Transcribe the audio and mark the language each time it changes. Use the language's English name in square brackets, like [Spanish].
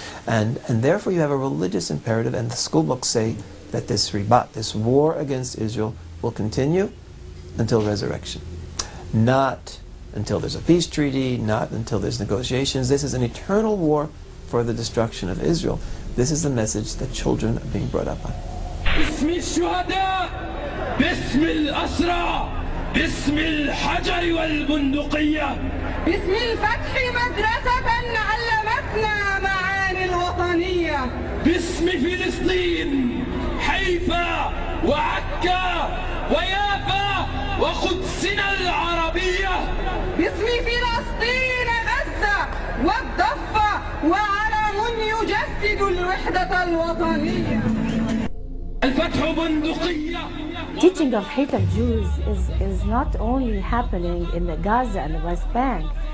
[English] And therefore you have a religious imperative, and the school books say that this ribat, this war against Israel, will continue until resurrection. Not until there's a peace treaty, not until there's negotiations. This is an eternal war for the destruction of Israel. This is the message that children are being brought up on. [Arabic] بسم الشهداء بسم الأسرى بسم الحجر والبندقية بسم الفتح مدرسة علمتنا معاني الوطنية بسم فلسطين حيفا وعكا ويافا وقدسنا العربية باسم فلسطين غزة والضفة وعلم يجسد الوحدة الوطنية الفتح بندقية [English] Teaching of hate of Jews is not only happening in the Gaza and the West Bank.